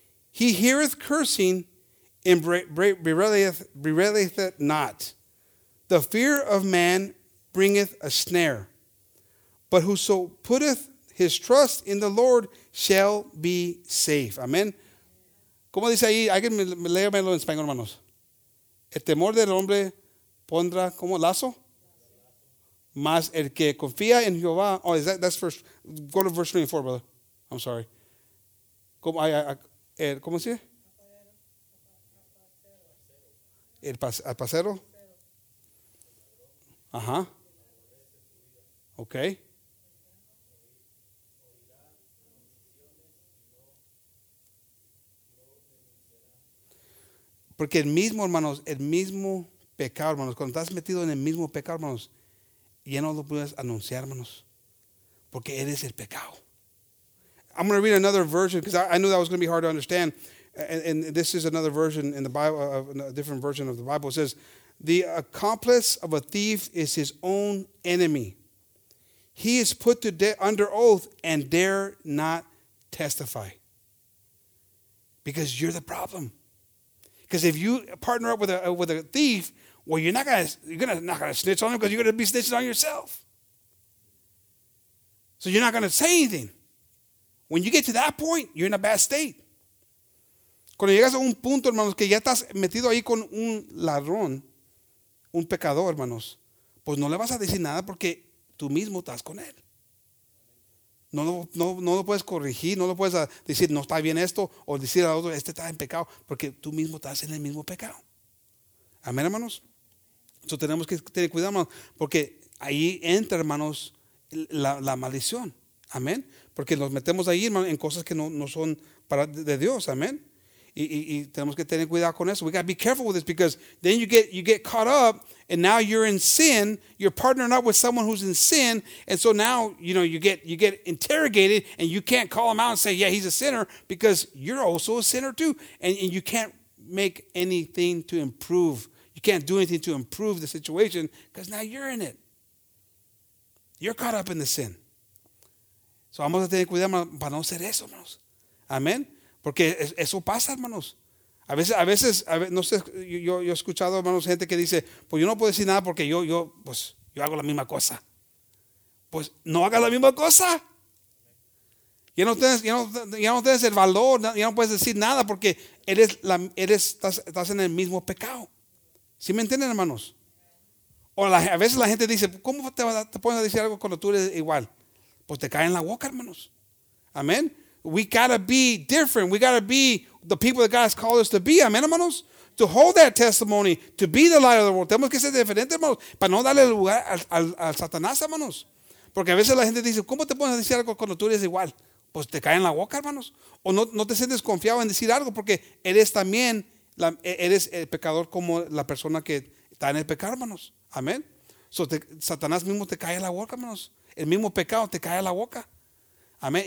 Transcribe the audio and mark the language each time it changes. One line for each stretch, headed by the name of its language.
English: He heareth cursing and bewraileth it not. The fear of man bringeth a snare, but whoso putteth his trust in the Lord shall be safe. Amen.
Spanish: Como dice ahí, alguien léamelo en español, hermanos. El temor del hombre pondrá como lazo. Mas el que confía en Jehová.
English: Oh, is that, that's first. Go to verse 24, brother. I'm sorry.
Spanish: ¿Cómo se dice? El pasero. Ajá. Okay. Porque el mismo, hermanos, el mismo pecado, hermanos, cuando estás metido en el mismo pecado, hermanos, ya no lo puedes anunciar, hermanos, porque eres el pecado.
English: I'm going to read another version because I knew that was going to be hard to understand. And this is another version in the Bible, a different version of the Bible. It says, the accomplice of a thief is his own enemy. He is put to death under oath and dare not testify. Because you're the problem. Because if you partner up with a thief, well, you're not gonna snitch on him because you're gonna be snitching on yourself. So you're not gonna say anything. When you get to that point, you're in a bad state.
Spanish: Cuando llegas a un punto, hermanos, que ya estás metido ahí con un ladrón, un pecador, hermanos, pues no le vas a decir nada porque tú mismo estás con él. No lo puedes corregir, no lo puedes decir, no está bien esto, o decir al otro, este está en pecado, porque tú mismo estás en el mismo pecado. Amén, hermanos. Entonces tenemos que tener cuidado, hermanos, porque ahí entra, hermanos, la maldición. Amén. Porque nos metemos ahí, hermanos, en cosas que no son para de Dios. Amén. Y tenemos que tener cuidado con eso.
English: We got to be careful with this because then you get caught up and now you're in sin. You're partnering up with someone who's in sin. And so now, you know, you get interrogated and you can't call him out and say, yeah, he's a sinner because you're also a sinner too. And you can't make anything to improve. You can't do anything to improve the situation because now you're in it. You're caught up in the sin.
Spanish: So vamos a tener cuidado para no hacer eso, hermanos. Amén. Porque eso pasa, hermanos. A veces, no sé, yo he escuchado, hermanos, gente que dice, pues yo no puedo decir nada porque yo hago la misma cosa. Pues no haga la misma cosa. Ya no tienes el valor, ya no puedes decir nada porque estás en el mismo pecado. ¿Sí me entienden, hermanos? A veces la gente dice, ¿cómo te pueden decir algo cuando tú eres igual? Pues te cae en la boca, hermanos. Amen.
English: We gotta be different.
Spanish: We gotta be the people that God has called us to be. Amen, hermanos. To hold that testimony, to be the light of the world. Tenemos que ser diferentes, hermanos, para no darle lugar al Satanás, hermanos. Porque a veces la gente dice, ¿cómo te pones a decir algo cuando tú eres igual? Pues te cae en la boca, hermanos. O no te sientes confiado en decir algo porque eres también eres el pecador como la persona que está en el pecado, hermanos. Amén. So, Satanás mismo te cae a la boca, hermanos. El mismo pecado te cae a la boca. Amén.